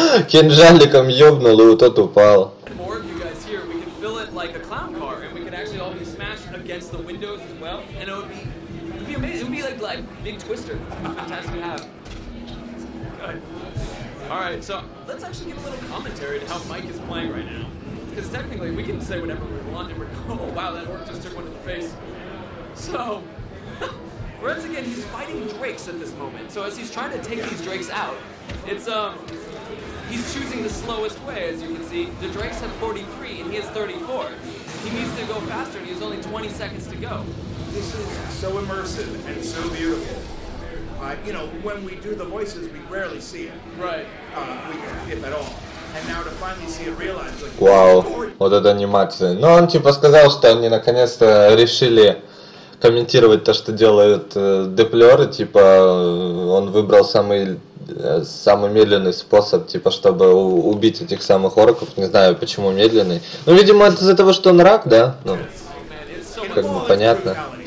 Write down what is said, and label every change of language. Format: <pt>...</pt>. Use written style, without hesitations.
<ru>Кинжаликом ёбнул, и вот тот упал.</ru> <en>More of you guys here, we could fill it like a clown car, and we could actually all be smashed against the windows as well, and it would be amazing. It would be like big twister. Fantastic to have. Good. Alright, so let's actually give a little commentary to how Mike is playing right now. Because technically, we can say whatever we want, and we're oh, wow, that orc just took one to the face. So... Once again, he's fighting drakes at this moment. So as he's trying to take these drakes out, he's choosing the slowest way, as you can see. The drakes have 43, and he has 34. He needs to go faster, and he has only 20 seconds to go. This is so immersive and so beautiful. You know, when we do the voices, we rarely see it. Right. If at all. And now to finally see it realized, like...</en> <ru>Вау, вот эта анимация. Ну, он типа сказал, что они наконец-то решили... комментировать то, что делает Деплёр, типа, он выбрал самый медленный способ, типа, чтобы убить этих самых орков, не знаю, почему медленный. Ну, видимо, это из-за того, что он рак, да? Ну, как бы понятно.</ru>